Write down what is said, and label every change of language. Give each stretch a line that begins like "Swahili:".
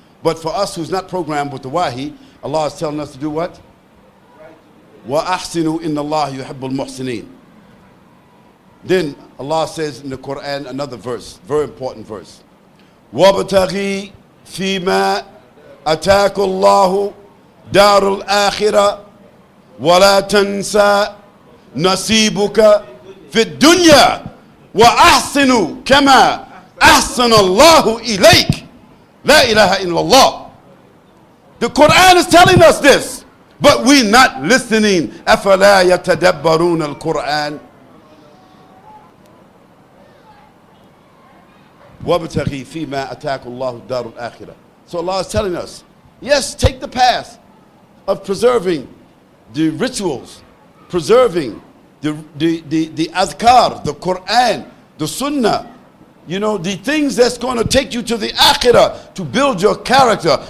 English: But for us who's not programmed with the wahi, Allah is telling us to do what?
Arabic: Wa ahsinu inna Allah yuhibbul muhsineen.
English: Then Allah says in the Quran another verse, very important verse.
Arabic: وَبْتَغِي فِي مَا أتاك الله دار الآخرة ولا تنسى نصيبك في الدنيا وأحسن كما أحسن الله إليك. لا إله إلا الله.
English: The Quran is telling us this, but we're not listening.
Arabic: أفلا يتدبرون القرآن وابتغي فيما أتاك الله الدار الآخرة.
English: So Allah is telling us, yes, take the path of preserving the rituals, preserving the azkar, the Quran, the sunnah, you know, the things that's going to take you to the akhirah to build your character.